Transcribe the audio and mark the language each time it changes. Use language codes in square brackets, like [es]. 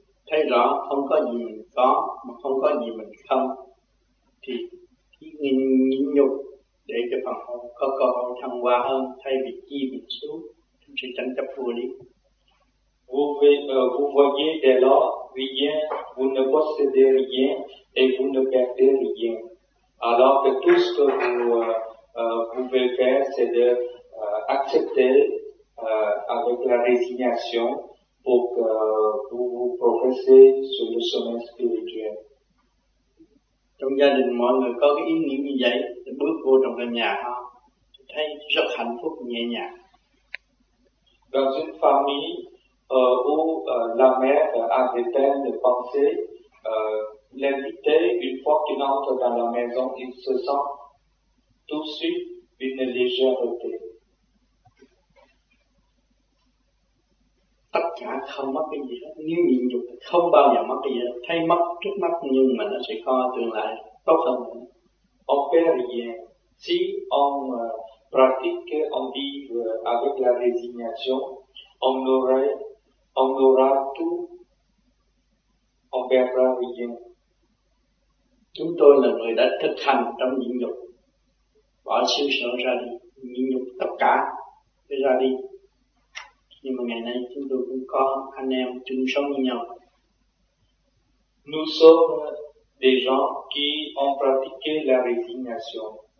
[vi] Thấy rõ không có gì mình có mà không có gì mình không thì nhịn nhục để cho phần hồn có cơ hội thăng hoa hơn thay vì chi mình xuống trong sự tranh chấp vô lý. [fr] Vous voyez dès lors rien, vous ne possédez rien et vous ne perdez rien. Alors que tout ce que vous pouvez faire c'est de accepter avec la résignation pour que vous progressez sur le chemin spirituel. [vi] Trong gia đình mọi người có cái ý niệm như vậy, bước vô trong căn nhà họ thấy rất hạnh phúc nhẹ nhàng. [fr] Dans une famille où la mère a des thèmes de pensée, l'invité une fois qu'il entre dans la maison, il se sent tout de suite une légèreté. [vi] Tất cả không mất cái gì hết, nếu nhịn nhục không bao giờ mất cái gì hết, thấy mất trước mắt nhưng mà nó sẽ có tương lai tốt hơn nữa. [fr] On perd rien, si on pratique, on vit avec la résignation, on aura tout, on perdra rien. [vi] Chúng tôi là người đã thực hành trong nhịn nhục, bỏ xứ sở ra đi, nhịn nhục tất cả, để ra đi. Nhưng mà ngày nay chúng tôi cũng có anh em chung sống với nhau. [fr] Nous sommes des gens qui ont pratiqué la résignation.